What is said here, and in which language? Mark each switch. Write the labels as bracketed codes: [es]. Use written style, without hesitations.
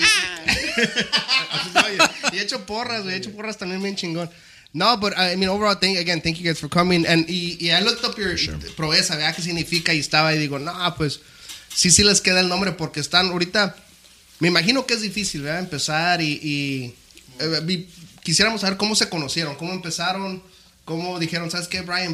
[es] Y he hecho porras, güey. He hecho porras también bien chingón. [en] No, but I mean, overall, thank you guys for coming. And I looked up your Proeza, [es] ¿verdad? ¿Qué significa? Y estaba y digo, pues sí les queda el nombre porque están ahorita. Me imagino que es difícil, ¿verdad? Empezar y quisiéramos saber cómo se conocieron, cómo empezaron, cómo dijeron, ¿sabes qué, Brian?